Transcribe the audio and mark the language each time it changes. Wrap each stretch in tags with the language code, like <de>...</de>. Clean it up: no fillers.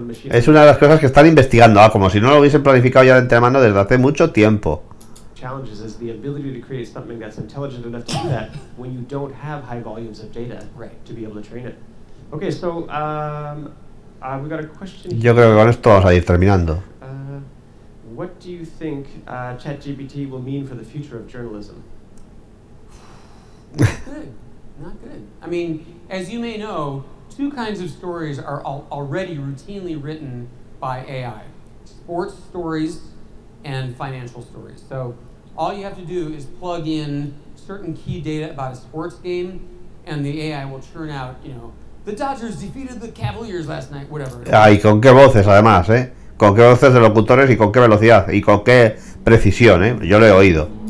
<es>Es una de las cosas que están investigando, ah, como si no lo hubiesen planificado ya de antemano desde hace mucho tiempo.</es> <en>Challenges is the ability to create something that's intelligent enough to do that when you don't have high volumes of data, right, to be able to train it. Okay, so we got a question.</en> <es>Yo creo que con esto vamos a ir terminando.</es> <en>What do you think ChatGPT will mean for the future of journalism? Not good. I mean, as you may know, two kinds of stories are already routinely written by AI: sports stories and financial stories. So all you have to do is plug in certain key data about a sports game, and the AI will churn out, you know, the Dodgers defeated the Cavaliers last night, whatever.</en> <es>Ay, con qué voces, además, ¿eh? Con qué voces de locutores y con qué velocidad y con qué precisión, ¿eh? Yo lo he oído.</es>